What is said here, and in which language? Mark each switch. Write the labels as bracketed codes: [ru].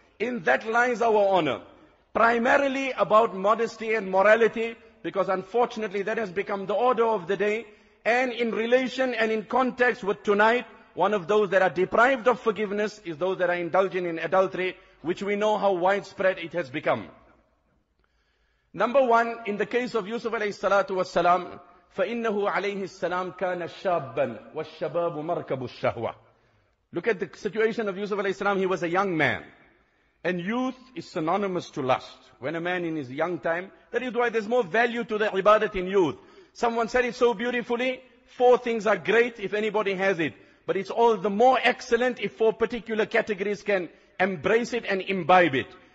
[en] In that lies our honor. Primarily about modesty and morality, because unfortunately that has become the order of the day. And in relation and in context with tonight, one of those that are deprived of forgiveness is those that are indulging in adultery, which we know how widespread it has become. Number one, in the case of Yusuf alayhi salatu wasalam, [ar] فإنه عليه السلام كان شابا والشباب مركب الشهوة. [en] Look at the situation of Yusuf alayhi salam. He was a young man. And youth is synonymous to lust. When a man in his young time, that is why there's more value to the ibadat in youth. Someone said it so beautifully, four things are great if anybody has it. But it's all the more excellent if four particular categories can embrace it and imbibe it.